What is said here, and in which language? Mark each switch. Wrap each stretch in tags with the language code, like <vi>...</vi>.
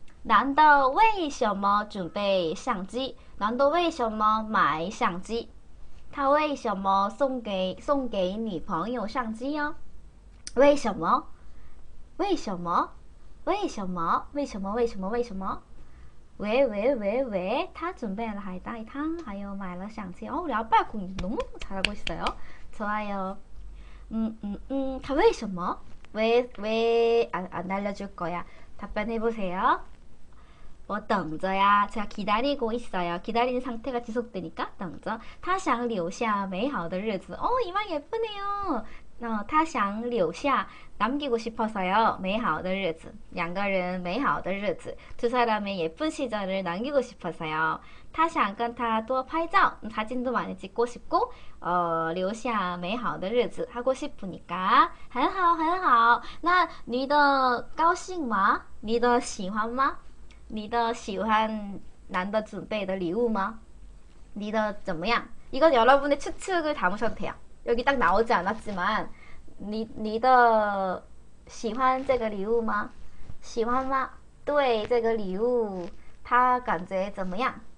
<zh>男的为什么准备相机?男的为什么买相机? 他为什么送给女朋友相机哦? 为什么?为什么?为什么?为什么?为什么?为什么?</zh> <ko>왜?</ko> <zh>他准备了海带汤, 还有买了相机.</zh> <ko>우리 아빠 공 너무 잘하고 있어요. 좋아요. 다</ko> <zh>为什么?</zh> <ko>왜, 안 알려줄 거야. 답변해보세요. 뭐</ko> <zh>等着呀?</zh> <ko>제가 기다리고 있어요. 기다리는 상태가 지속되니까 等着.</ko> <zh>他想留下美好的日子.</zh> <ko>이말 예쁘네요.</ko> <zh>他想留下,</zh> <ko>남기고 싶어서요.</ko> <zh>美好的日子.两个人美好的日子.</zh> <ko>두 사람의 예쁜 시절을 남기고 싶어서요.</ko> <zh>他想跟他多拍照,</zh> <ko>사진도 많이 찍고 싶고,</ko> <zh>留下美好的日子</zh> <ko>하고 싶으니까.</ko> <zh>很好, 很好.那你的高兴吗? 你的喜欢吗?你的喜欢男的准备的礼物吗? 你的怎么样?</zh> <ko>이건 여러분의 추측을 담으셔도 돼요. 여기 딱 나오지 않았지만,</ko> <zh>你的喜欢这个礼物吗?喜欢吗? 对这个礼物他感觉怎么样?</zh>